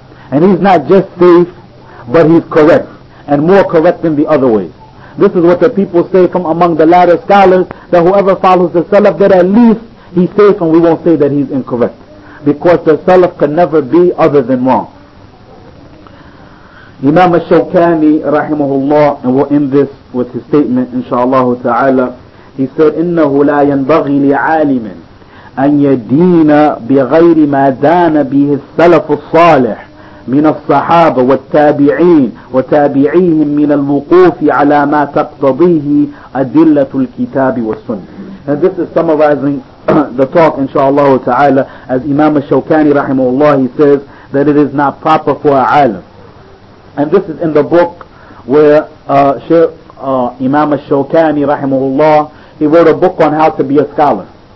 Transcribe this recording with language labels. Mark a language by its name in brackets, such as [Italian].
[English] And he's not just safe, but he's correct, and more correct than the other ways. This is what the people say from among the latter scholars, that whoever follows the Salaf, that at least he's safe, and we won't say that he's incorrect, because the Salaf can never be other than wrong. Imam al-Shawkani rahimahullah, and we'll end this with his statement inshallah ta'ala, he said, [Arabic] إِنَّهُ لَا يَنْبَغِي لِعَالِمٍ أَنْ يَدِينَ بِغَيْرِ مَا دَانَ بِهِ السَّلَفُ الصَّالِحِ مِنَ الصَّحَابَ وَالتَّابِعِينَ وَتَابِعِيهِمْ مِنَ الْوُقُوفِ عَلَى مَا تَقْتَضِيهِ أَدِلَّةُ الْكِتَابِ وَالسُّنَّةِ. [English] And this is summarizing the talk inshallah ta'ala, as Imam al-Shawkani rahimahullah, he says that it is not proper for a alim, and this is in the book where Imam al-Shawkani rahimahullah, he wrote a book on how to be a scholar,